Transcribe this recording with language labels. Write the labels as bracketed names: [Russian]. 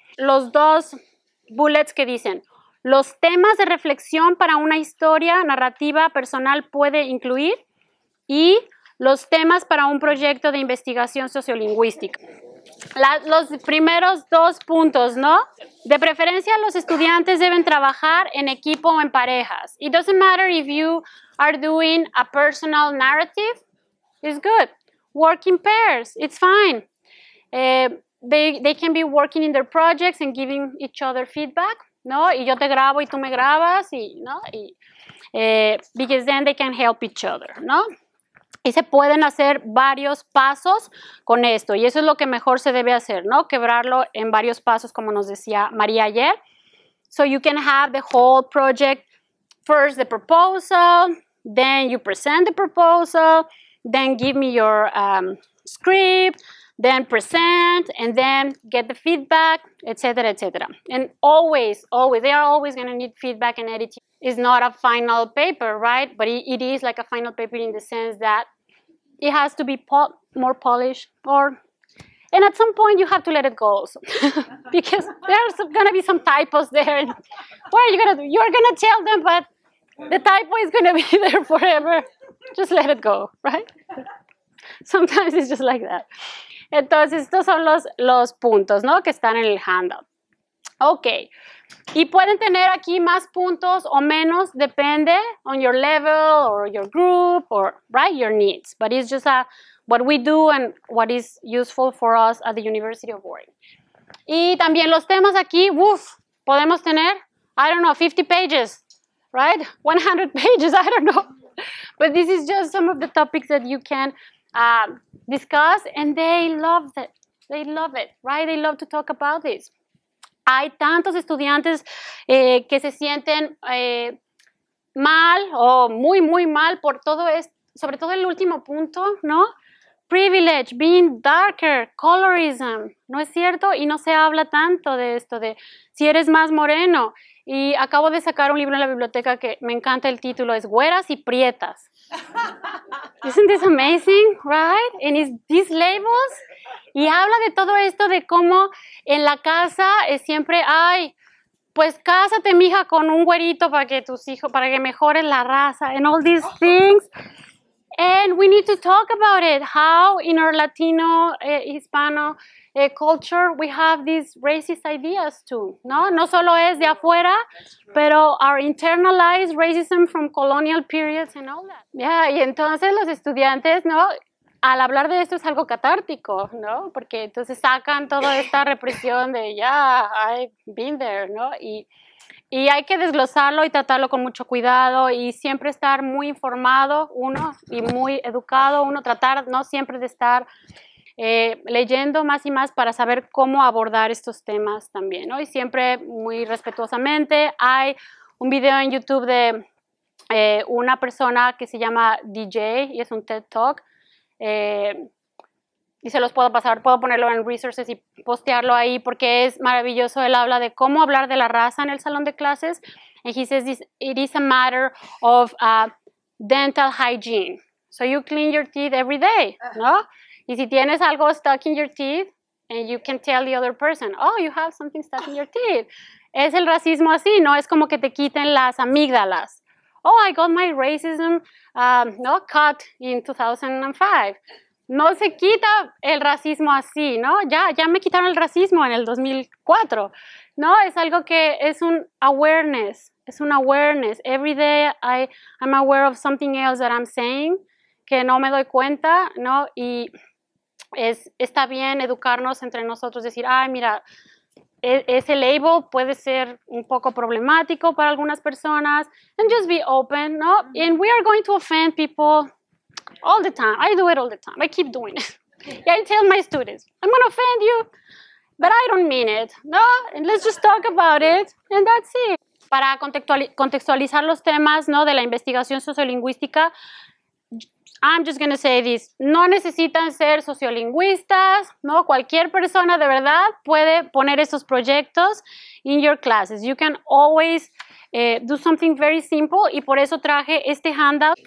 [Spanish] Los dos bullets que dicen, los temas de reflexión para una historia narrativa personal puede incluir y los temas para un proyecto de investigación sociolingüística. Los primeros dos puntos, ¿no? De preferencia, los estudiantes deben trabajar en equipo o en parejas. [English] It doesn't matter if you are doing a personal narrative. It's good. Work in pairs. It's fine. They can be working in their projects and giving each other feedback, ¿no? [Spanish] Y yo te grabo y tú me grabas, y, ¿no? Y, because then they can help each other, ¿no? Y se pueden hacer varios pasos con esto. Y eso es lo que mejor se debe hacer, ¿no? Quebrarlo en varios pasos, como nos decía María ayer. [English] So you can have the whole project. First the proposal. Then you present the proposal. Then give me your script. Then present. And then get the feedback, etc., etc. And always, always, they are always going to need feedback and editing. It's not a final paper, right? But it is like a final paper in the sense that it has to be more polished. And at some point, you have to let it go also. Because there's going to be some typos there. And what are you going to do? You're going to tell them, but the typo is going to be there forever. Just let it go, right? Sometimes it's just like that. [Spanish] Entonces, estos son los puntos, ¿no? Que están en el handout. Okay. [English] Y pueden tener aquí más puntos o menos, depende on your level or your group or, right, your needs. But it's just what we do and what is useful for us at the University of Oregon. [Spanish] Y también los temas aquí, podemos tener, I don't know, 50 pages, right? [English] 100 pages, I don't know. But this is just some of the topics that you can discuss, and they love it, right? They love to talk about this. [Spanish] Hay tantos estudiantes que se sienten mal o muy, muy mal por todo esto, sobre todo el último punto, ¿no? [English] Privilege, being darker, colorism, ¿no es cierto? [Spanish] Y no se habla tanto de esto, de si eres más moreno. Y acabo de sacar un libro en la biblioteca que me encanta el título, es Güeras y Prietas. [English] Isn't this amazing, right? And it's these labels. [Spanish] Y habla de todo esto, de cómo en la casa es siempre, ay, pues cásate, mija, con un güerito para que tus hijos, para que mejores la raza, and all these things. [English] And we need to talk about it, how in our Latino, Hispano culture, we have these racist ideas too, ¿no? No solo es de afuera, pero our internalized racism from colonial periods and all that. [Spanish] Yeah, y entonces los estudiantes, ¿no? Al hablar de esto es algo catártico, ¿no? Porque entonces sacan toda esta represión de, yeah, I've been there, ¿no? Y hay que desglosarlo y tratarlo con mucho cuidado y siempre estar muy informado uno y muy educado uno, tratar no siempre de estar leyendo más y más para saber cómo abordar estos temas también, ¿no? Y siempre muy respetuosamente. Hay un video en YouTube de una persona que se llama DJ y es un TED Talk. Y se los puedo pasar, puedo ponerlo en resources y postearlo ahí porque es maravilloso. Él habla de cómo hablar de la raza en el salón de clases [English] And he says this, it is a matter of dental hygiene. So you clean your teeth every day, no? Y si tienes algo stuck in your teeth, and you can tell the other person, oh, you have something stuck in your teeth. [Spanish] Es el racismo así, ¿no? Es como que te quiten las amígdalas. Oh, I got my racism cut in 2005. No se quita el racismo así, ¿no? Ya me quitaron el racismo en el 2004. No, es algo que es un awareness. Es un awareness. [English] Every day I'm aware of something else that I'm saying que no me doy cuenta, ¿no? [Spanish] Y está bien educarnos entre nosotros, decir, ay, mira, ese label puede ser un poco problemático para algunas personas. [English] And just be open, ¿no? Mm-hmm. And we are going to offend people all the time. I do it all the time. I keep doing it. Yeah, I tell my students, I'm going to offend you, but I don't mean it, ¿no? And let's just talk about it, and that's it. [Spanish] Para contextualizar los temas, ¿no?, de la investigación sociolingüística, I'm just going to say this, no necesitan ser sociolingüistas, ¿no? Cualquier persona de verdad puede poner esos proyectos in your classes. [English] You can always do something very simple, y por eso traje este handout.